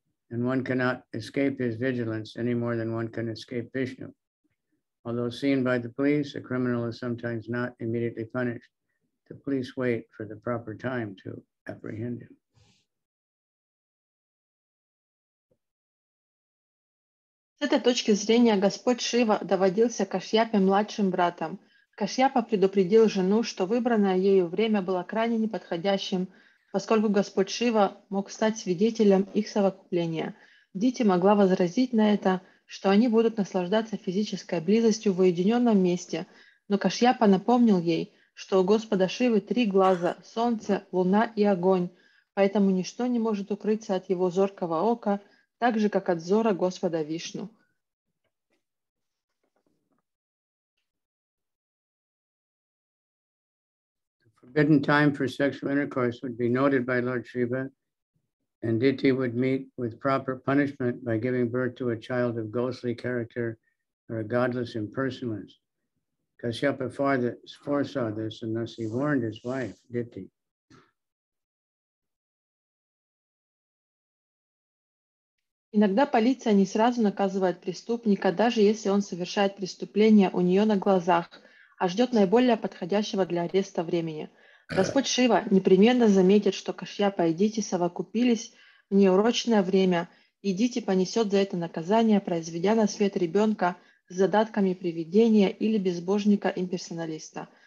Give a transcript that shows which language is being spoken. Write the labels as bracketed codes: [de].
[en] And one cannot escape his vigilance any more than one can escape Vishnu. Although seen by the police, a criminal is sometimes not immediately punished. The police wait for the proper time to apprehend him. [ru] С этой точки зрения Господь Шива доводился Кашьяпе младшим братом. Кашьяпа предупредил жену, что выбранное ею время было крайне неподходящим, поскольку Господь Шива мог стать свидетелем их совокупления. Дити могла возразить на это, что они будут наслаждаться физической близостью в уединенном месте, но Кашьяпа напомнил ей, что у Господа Шивы три глаза – солнце, луна и огонь, поэтому ничто не может укрыться от его зоркого ока, так же, как от взора Господа Вишну. [en] Forbidden time for sexual intercourse would be noted by Lord Shiva, and Diti would meet with proper punishment by giving birth to a child of ghostly character or a godless impersonalist. Kashyapa foresaw this, and thus he warned his wife, Diti. [ru] Иногда полиция не сразу наказывает преступника, даже если он совершает преступление у нее на глазах, а ждет наиболее подходящего для ареста времени. Господь Шива непременно заметит, что Кашьяпа и Дити совокупились в неурочное время, и Дити понесет за это наказание, произведя на свет ребенка с задатками привидения или безбожника-имперсоналиста.